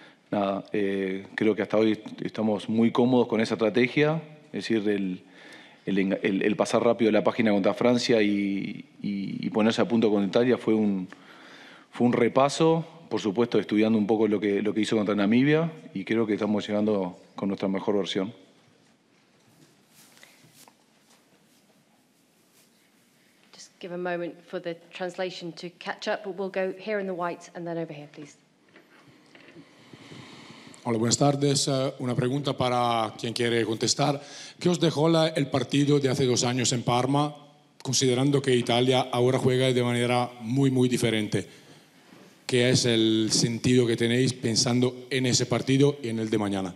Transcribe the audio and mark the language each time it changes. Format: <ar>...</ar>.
<es>Creo que hasta hoy estamos muy cómodos con esa estrategia, es decir, el pasar rápido la página contra Francia y ponerse a punto con Italia fue un repaso, por supuesto estudiando un poco lo que hizo contra Namibia, y creo que estamos llegando con nuestra mejor versión.</es> <en>Just give a moment for the translation to catch up, but we'll go here in the white and then over here, please.</en> <es>Hola, buenas tardes. Una pregunta para quien quiere contestar. ¿Qué os dejó el partido de hace 2 años en Parma, considerando que Italia ahora juega de manera muy, muy diferente? ¿Qué es el sentido que tenéis pensando en ese partido y en el de mañana?</es>